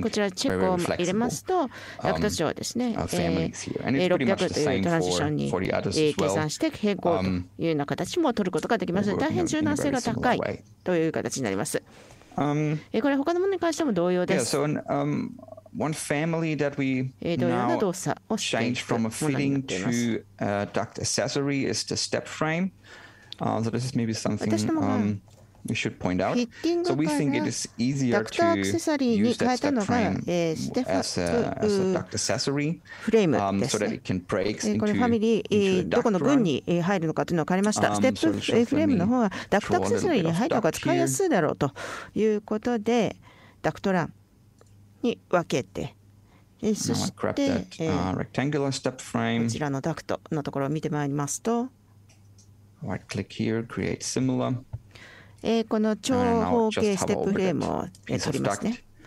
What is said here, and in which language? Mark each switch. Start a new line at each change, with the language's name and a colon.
Japanese: こちらチェックを入れますと、ダクト値をですね、600というトランジションに計算して変更というような形も取ることができます。大変柔軟性が高いという形になります。これ他のものに関しても同様です。
English: One family that we now change from a fitting to a duct accessory is the step frame. So this is maybe something we should point out. So we think it is easier to use that step frame as a duct accessory so that it can break into a duct frame.
Japanese: どこの群に入るのかというのを変えました。ステップフレームの方はダクトアクセサリーに入るのが使いやすいだろうということで、ダクトランに分けて、そしてこちらのダクトのところを見てまいりますと、この長方形ステップフレームを取りますね。